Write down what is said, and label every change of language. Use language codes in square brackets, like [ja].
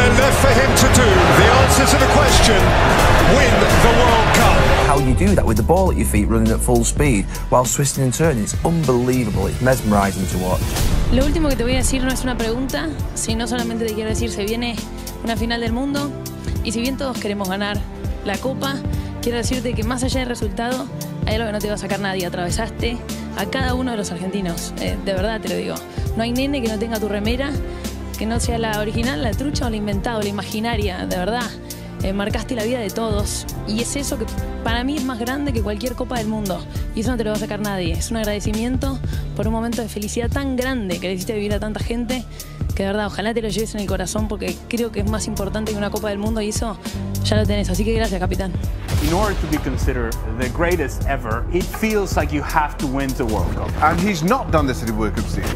[en] For him to do the answer to the question, win the World Cup. How you do that with the ball at your feet running at full speed while twisting and turning, it's unbelievable. It's mesmerizing to watch. [es] Lo último que te voy a decir no es una pregunta, sino solamente te quiero decir, se viene una final del mundo, y si bien todos queremos ganar la copa, quiero decirte que más allá del resultado, hay algo que no te va a sacar nadie. Atravesaste a cada uno de los argentinos, de verdad te lo digo. No hay nene que no tenga tu remera, que no sea la original, la trucha o la inventada, la imaginaria, de verdad. Marcaste la vida de todos. Y es eso que para mí es más grande que cualquier copa del mundo. Y eso no te lo va a sacar nadie. Es un agradecimiento por un momento de felicidad tan grande que le hiciste vivir a tanta gente, que de verdad, ojalá te lo lleves en el corazón, porque creo que es más importante que una copa del mundo, y eso ya lo tenés. Así que gracias, capitán. [en] In order to be considered the greatest ever, it feels like you have to win the World Cup. And he's not done this in the World Cup season.